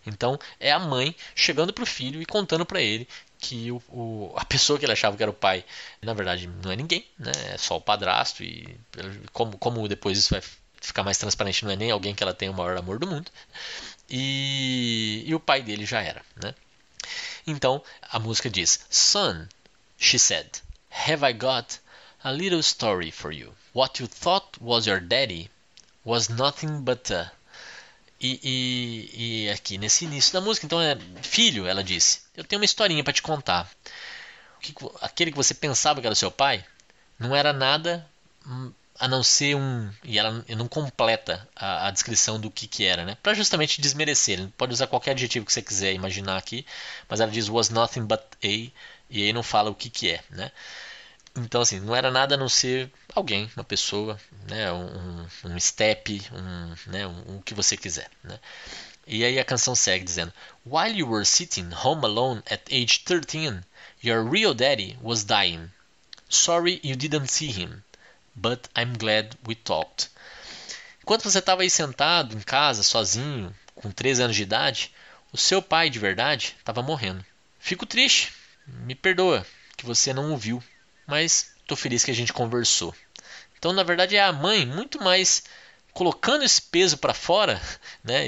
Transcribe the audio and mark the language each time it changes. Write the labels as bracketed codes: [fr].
[pt] Então é a mãe chegando para o filho e contando para ele que a pessoa que ele achava que era o pai, na verdade, não é ninguém, né? É só o padrasto. E como depois isso vai ficar mais transparente, não é nem alguém que ela tem o maior amor do mundo. E o pai dele já era, né? Então a música diz: [en] "Son, she said, have I got a little story for you? What you thought was your daddy was nothing but a..." [pt] E aqui nesse início da música, então é: "Filho", ela disse, "eu tenho uma historinha para te contar. Aquele que você pensava que era seu pai não era nada a não ser um..." E ela não completa a descrição do que era, né? Para justamente desmerecer, pode usar qualquer adjetivo que você quiser imaginar aqui, mas ela diz [en] "was nothing but a", [pt] e aí não fala o que é, né? Então assim, não era nada a não ser alguém, uma pessoa, né, um estepe, um que você quiser, né? E aí a canção segue dizendo: [en] "While you were sitting home alone at age 13, your real daddy was dying. Sorry you didn't see him, but I'm glad we talked." [pt] Enquanto você estava aí sentado em casa, sozinho, com 3 anos de idade, o seu pai de verdade estava morrendo. "Fico triste, me perdoa que você não o viu, mas estou feliz que a gente conversou." Então, na verdade, é a mãe muito mais colocando esse peso para fora, né?